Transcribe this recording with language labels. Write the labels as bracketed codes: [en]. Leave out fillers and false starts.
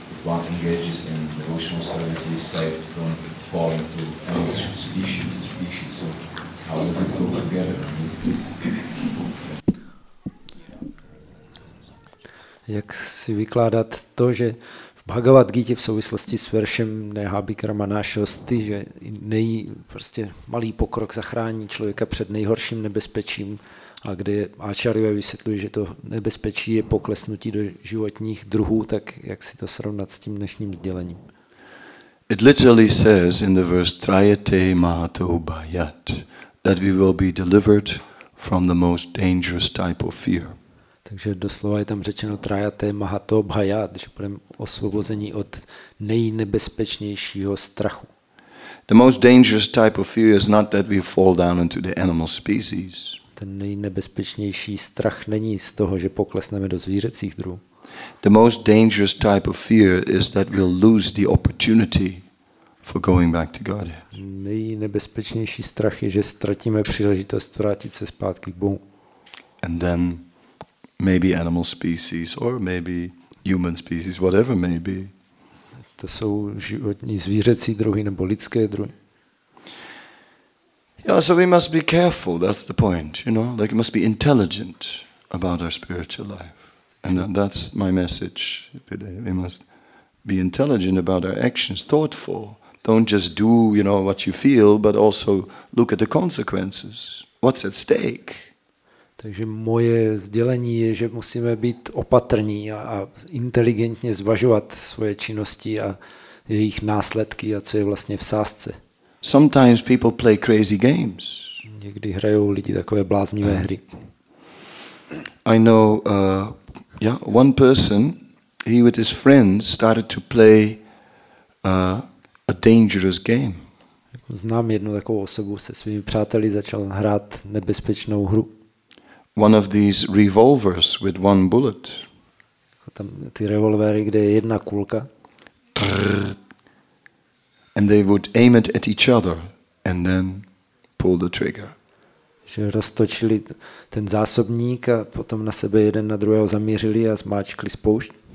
[en] One engages in devotional service, he is saved from falling to species. So, how does it go together? [cs] Jak si vykládat to, že v Bhagavad Gita v souvislosti s veršem Nehabikrama nášosti, že prostě malý pokrok zachrání člověka před nejhorším nebezpečím, a kde Ačarjové vysvětluje, že to nebezpečí je poklesnutí do životních druhů, tak jak si to srovnat s tím dnešním sdělením? [en] It literally says in the verse Trayate Mahato Bhayat that we will be delivered from the most dangerous type of fear. [cs] Takže doslova je tam řečeno Trayate Mahato Bhayat, že budeme osvobození od nejnebezpečnějšího strachu. [en] The most dangerous type of fear is not that we fall down into the animal species. [cs] Ten nejnebezpečnější strach není z toho, že poklesneme do zvířecích druhů. [en] The most dangerous type of fear is that we'll lose the opportunity for going back to God. [cs] Nejnebezpečnější strach je, že ztratíme příležitost vrátit se zpátky k Bohu. [en] And then maybe animal species or maybe human species, whatever may be. [cs] To jsou životní zvířecí druhy nebo lidské druhy. [en] Yeah, so we must be careful. That's the point, you know. Like we must be intelligent about our spiritual life, and that's my message today. We must be intelligent about our actions, thoughtful. Don't just do, you know, what you feel, but also look at the consequences. What's at stake? [cs] Takže moje sdělení je, že musíme být opatrní a inteligentně zvažovat svoje činnosti a jejich následky a co je vlastně v sázce. [en] Sometimes people play crazy games. [cs] Někdy hrajou lidi takové bláznivé hry. [en] I know, one person, he with his friends started to play a dangerous game. [cs] Znám jednu takovou osobu, se svými přáteli začal hrát nebezpečnou hru. [en] One of these revolvers with one bullet. [cs] Tam ty revolvery, kde je jedna kulka. [en] And they would aim it at each other and then pull the trigger. [cs] Že roztočili ten zásobník a potom na sebe jeden na druhého zamířili a zmáčkli spoušť.